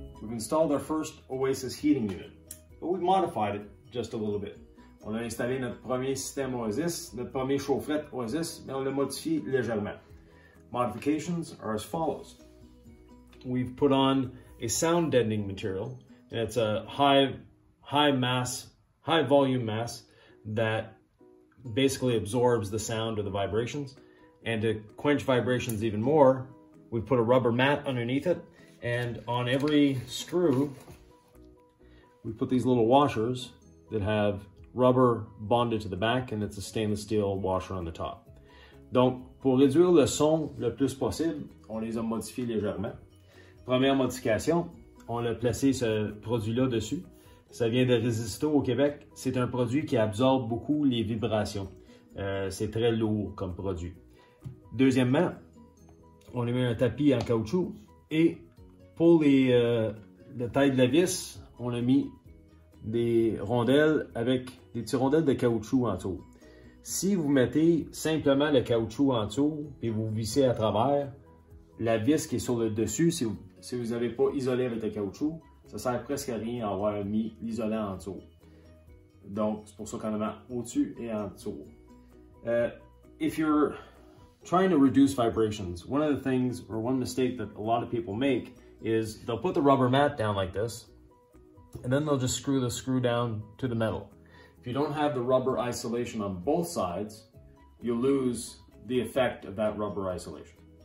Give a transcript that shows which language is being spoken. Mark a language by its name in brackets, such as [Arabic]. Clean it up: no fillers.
[English] Installed our first Oasis heating unit, but we've modified it just a little bit. [French] On a installé notre premier système Oasis, notre premier chaufferette Oasis, mais on l'a modifié légèrement. [English] Modifications are as follows. We've put on a sound deadening material, and it's a high volume mass that basically absorbs the sound or the vibrations. And to quench vibrations even more, we've put a rubber mat underneath it. And on every screw, we put these little washers that have rubber bonded to the back, and it's a stainless steel washer on the top. [French] Donc, pour réduire le son le plus possible, on les a modifiés légèrement. Première modification, on a placé ce produit-là dessus. Ça vient de Resisto au Québec. C'est un produit qui absorbe beaucoup les vibrations. C'est très lourd comme produit. Deuxièmement, on a mis un tapis en caoutchouc et pour la taille de la vis, on a mis des rondelles avec des petites rondelles de caoutchouc en dessous. Si vous mettez simplement le caoutchouc en dessous et vous vissez à travers, la vis qui est sur le dessus, si vous n'avez pas isolé avec le caoutchouc, ça sert presque à rien d'avoir mis l'isolant en dessous. Donc, c'est pour ça qu'on a mis au-dessus et en dessous. [English] If you're trying to reduce vibrations, one of the things or one mistake that a lot of people make is they'll put the rubber mat down like this, and then they'll just screw the screw down to the metal. If you don't have the rubber isolation on both sides, you'll lose the effect of that rubber isolation.